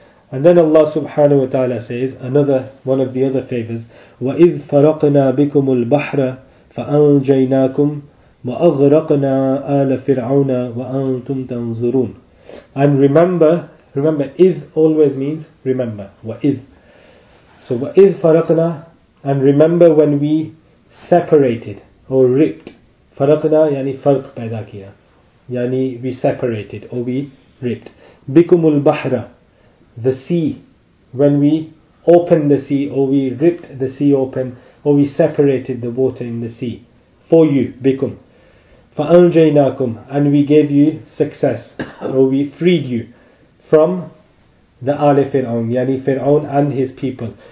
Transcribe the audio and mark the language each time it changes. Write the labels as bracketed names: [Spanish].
[English] And then Allah subhanahu wa ta'ala says another one of the other favors, [Arabic] وَإِذْ فَرَقْنَا بِكُمُ الْبَحْرَ فَأَنْجَيْنَاكُمْ وَأَغْرَقْنَا آلَ فِرْعَوْنَ وَأَنْتُمْ تَنْظُرُونَ. [English] And remember, إِذْ always means remember, وَإِذْ. So [Arabic] وَإِذْ فَرَقْنَا, [English] and remember when we separated or ripped. [Urdu] فَرَقْنَا يعني فَرْق پیدا کیا, يعني [English] we separated or we ripped. [Arabic] بِكُمُ الْبَحْرَ, [English] the sea, when we opened the sea or we ripped the sea open or we separated the water in the sea for you, bikum. فَأَنْجَيْنَاكُمْ, and we gave you success, or we freed you from the Ali Fir'aun, yani Fir'aun and his people.